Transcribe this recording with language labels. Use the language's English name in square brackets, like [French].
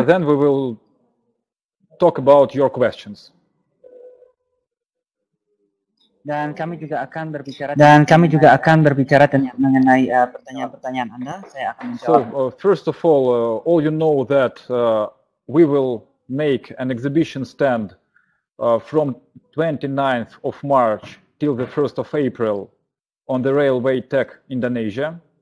[English] And then we will talk about your questions. [Indonesian] Dan kami juga akan berbicara. Dan kami juga akan berbicara mengenai pertanyaan-pertanyaan Anda. Saya akan menjawab. [English] So first of all you know that we will make an exhibition stand from 29th of March till the 1st of April on the Railway Tech Indonesia.